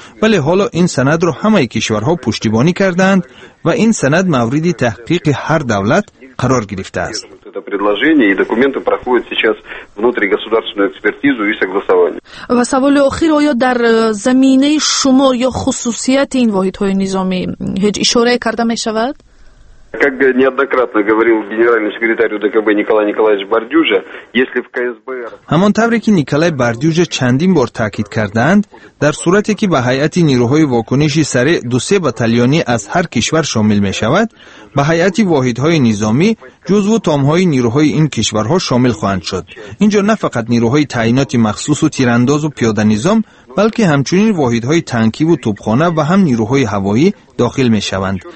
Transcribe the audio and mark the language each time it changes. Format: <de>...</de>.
<fa>ولی حالا این سند را همه کشورها پشتیبانی کردند و این سند مورد تحقیق هر دولت قرار گرفته است. و سوال آخر، آیا در زمینه شما یا خصوصیت این واحدهای نظامی هیچ اشاره کرده می شود؟</fa> <ru>Как неоднократно говорил генеральный секретарь УДКБ Николай Николаевич Бардюжа, если в КСБР</ru> <fa>همان طوری که نیکلای باردیوژا چندین بار تاکید کردند، در صورتی که به هیئت نیروهای واکنش سریع 2-3 بتالیونی از هر کشور شامل می شود، به هیئت واحدهای نظامی جزو تامهای نیروهای این کشورها شامل خواهند شد. اینجا نه فقط نیروهای تعینات مخصوص و تیرانداز و پیاده نظام، بلکه همچنین واحدهای تانکی و توپخانه و هم نیروهای هوایی داخل می شوند.</fa>